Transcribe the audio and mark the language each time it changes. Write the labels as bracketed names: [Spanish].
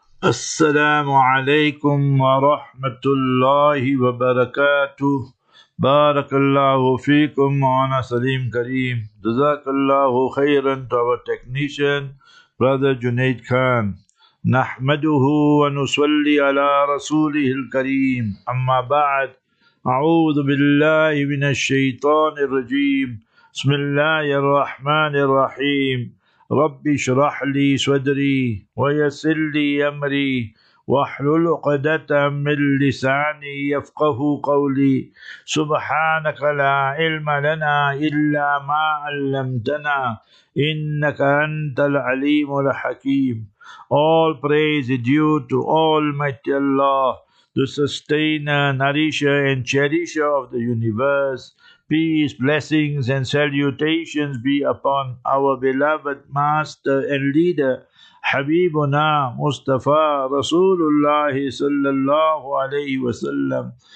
[Arabic] السلام عليكم ورحمة الله وبركاته. بارك الله فيكم وأنا سليم كريم. جزاك الله خيرا [English] to our technician, brother Junaid Khan. [Arabic] نحمده ونصلي على رسوله الكريم. أما بعد, أعوذ بالله من الشيطان الرجيم. بسم الله الرحمن الرحيم. رب اشرح لي صدري ويسر لي أمري واحلل عقدة من لساني يفقه قولي. سبحانك لا علم لنا إلا ما علمتنا إنك أنت العليم الحكيم. [English] All praise is due to Almighty Allah, the sustainer, nourisher, and cherisher of the universe. Peace, blessings, and salutations be upon our beloved master and leader, Habibuna Mustafa Rasulullah sallallahu alayhi wa sallam.